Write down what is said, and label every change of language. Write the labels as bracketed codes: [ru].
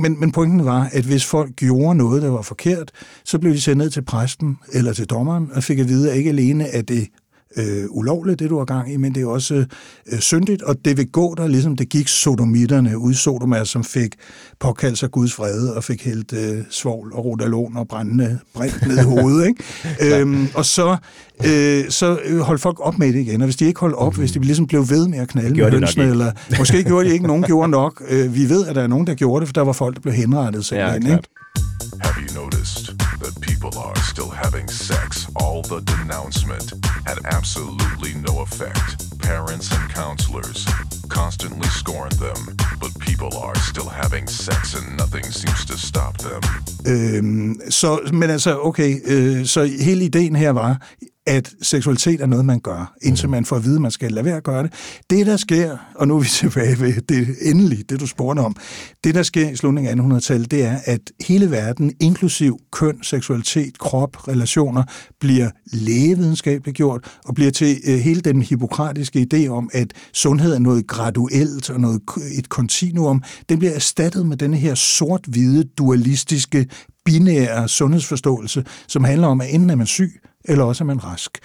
[da] Men pointen var, at hvis folk gjorde noget, der var forkert, så blev de sendt ned til præsten eller til dommeren, og fik at vide, at ikke alene er det ulovligt, det du har gang i, men det er også syndigt, og det vil gå der, ligesom det gik sodomitterne ud i Sodoma, som fik påkaldt sig Guds vrede og fik hældt svovl og rotalon og brændende brint ned i hovedet. Ikke? Og så holdt folk op med det igen, og hvis de ikke holdt op, hvis de ligesom blev ved med at knalde med hønsene, eller måske gjorde de ikke, nogen gjorde nok. Vi ved, at der er nogen, der gjorde det, for der var folk, der blev henrettet. Ja, klart. Ikke? [en] Have you noticed that people are still having sex? All the denouncement had absolutely no effect. Parents and counselors constantly scorn them, but people are still having sex and nothing seems to stop them. [da] Så hele ideen her var, at seksualitet er noget, man gør, indtil man får at vide, at man skal lade være at gøre det. Det, der sker, og nu er vi tilbage ved det endelige, det du spurgte om, det, der sker i slutningen af 1800-tallet, det er, at hele verden, inklusiv køn, seksualitet, krop, relationer, bliver lægevidenskabeligt gjort, og bliver til hele den hippokratiske idé om, at sundhed er noget graduelt og noget et kontinuum, den bliver erstattet med denne her sort-hvide, dualistiske, binære sundhedsforståelse, som handler om, at enten er man syg, eller også er man rask.